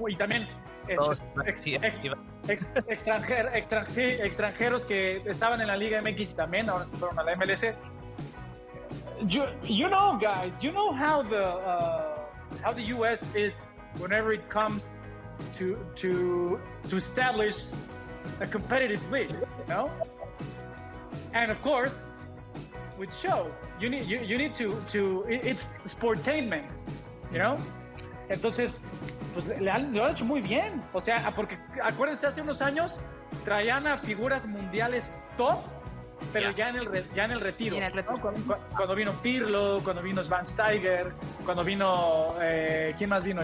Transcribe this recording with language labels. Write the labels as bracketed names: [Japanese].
[Spanish] Y también extranjeros que estaban en la Liga MX también, ahora se fueron a la MLS. [English] You know, guys, you know how the US is whenever it comes to establish a competitive league, you know? And of course, with show, you need to it's sportainment, you know? [Spanish] Entonces, pues le han hecho muy bien. O sea, porque acuérdense, hace unos años traían a figuras mundiales top. Pero yeah. ya en el retiro. En el retiro. ¿No? Cuando vino Pirlo, cuando vino Schweinsteiger, cuando vino ¿quién más vino?